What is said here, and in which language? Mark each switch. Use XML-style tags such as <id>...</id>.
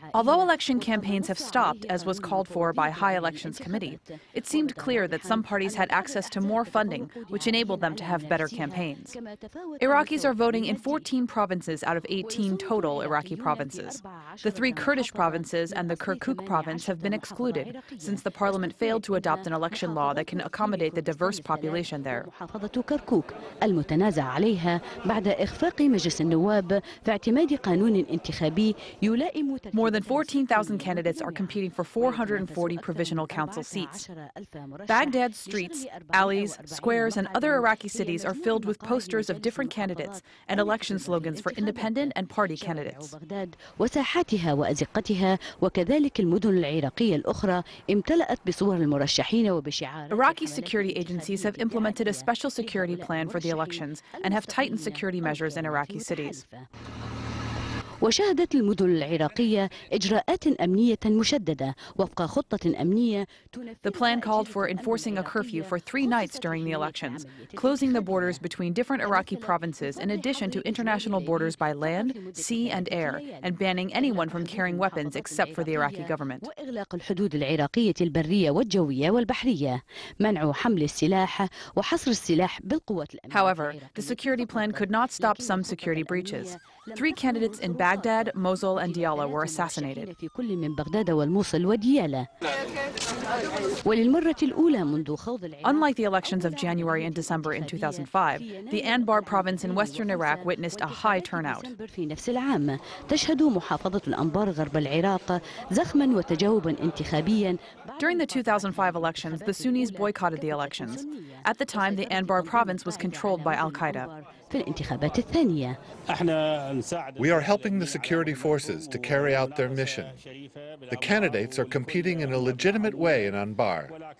<en>Although election campaigns have stopped, as was called for by High Elections Committee, it seemed clear that some parties had access to more funding, which enabled them to have better campaigns. Iraqis are voting in 14 provinces out of 18 total Iraqi provinces. The three Kurdish provinces and the Kirkuk province have been excluded, since the parliament failed to adopt an election law that can accommodate the diverse population there.</en> <ar>محافظة كركوك المتنازع عليها بعد إخفاق مجلس النواب في اعتماد قانون انتخابي يلائم.</ar> <en>More than 14,000 candidates are competing for 440 provisional council seats. Baghdad's streets, alleys, squares, and other Iraqi cities are filled with posters of different candidates and election slogans for independent and party candidates.</en> <ar>وساحاتها وأزقتها وكذلك المدن العراقية الأخرى امتلأت بصور المرشحين و.</ar> <en>Iraqi security agencies have implemented a special security plan for the elections and have tightened security measures in Iraqi cities.</en> <ar>وشهدت المدن العراقية إجراءات أمنية مشددة وفق خطة أمنية.</ar> <en>The plan called for enforcing a curfew for 3 nights during the elections, closing the borders between different Iraqi provinces in addition to international borders by land, sea and air, and banning anyone from carrying weapons except for the Iraqi government.</en> <ar>وإغلاق الحدود العراقية البرية والجوية والبحرية، منع حمل السلاح وحصر السلاح بالقوات الأمنية.</ar> <en>However, the security plan could not stop some security breaches. Three candidates in Baghdad, Mosul, and Diyala were assassinated.</en> <ar>في كل من بغداد والموصل وديالا. وللمرة الأولى منذ خوض العراق.</ar> <en>Unlike the elections of January and December in 2005, the Anbar province in western Iraq witnessed a high turnout.</en> <ar>في نفس العام تشهد محافظة الأنبار غرب العراق زخما وتجاوبا انتخابيا.</ar> <en>During the 2005 elections, the Sunnis boycotted the elections. At the time, the Anbar province was controlled by Al-Qaeda.</en> <ar>في الانتخابات الثانية.</ar> <en>We are helping the security forces to carry out their mission. The candidates are competing in a legitimate way in Anbar.</en>